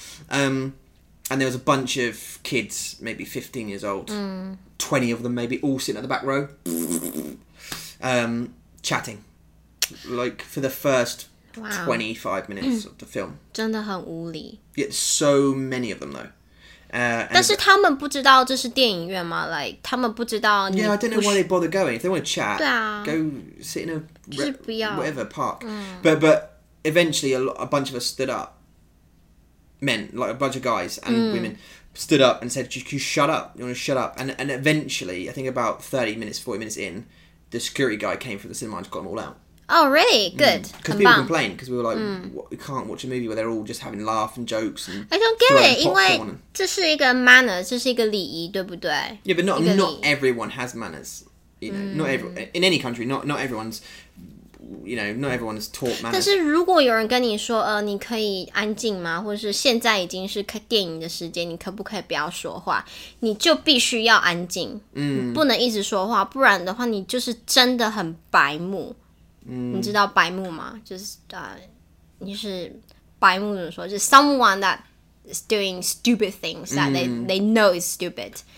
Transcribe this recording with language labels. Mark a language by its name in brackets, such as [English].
[English] And there was a bunch of kids, maybe 15 years old. 20 of them, maybe, all sitting at the back row. chatting. Like, for the first 25 minutes of the film. [Chinese] 真的很无理. [English] Yeah, so many of them, though. [Chinese] 但是他们不知道这是电影院吗? [English] Like, [Chinese] 他们不知道你不是... [English] Yeah, I don't know why they bother going. If they want to chat, [Chinese] 对啊, [English] go sit in a whatever park. 嗯. But eventually, a bunch of us stood up. Men, like a bunch of guys and women, stood up and said, "Can you shut up? You want to shut up?" And eventually, I think about 30 minutes, 40 minutes in, the security guy came from the cinema and just got them all out. Oh, really? Good. Because people complained, because we were like, we can't watch a movie where they're all just having laughs and jokes. And I don't get it, [Chinese] 因为这是一个 manners, 这是一个礼仪,对不对? [English] Yeah, but not everyone has manners. You know, not everyone, in any country, not everyone's, you know, not everyone's taught manners. [Chinese] 但是如果有人跟你说, 你可以安静吗? 或者是现在已经是电影的时间, 你可不可以不要说话?你就必须要安静, 不能一直说话, 不然的话, 你就是真的很白目。你知道白目吗?就是你是白目怎么说? 就是 [English] someone that is doing stupid things that they know is stupid.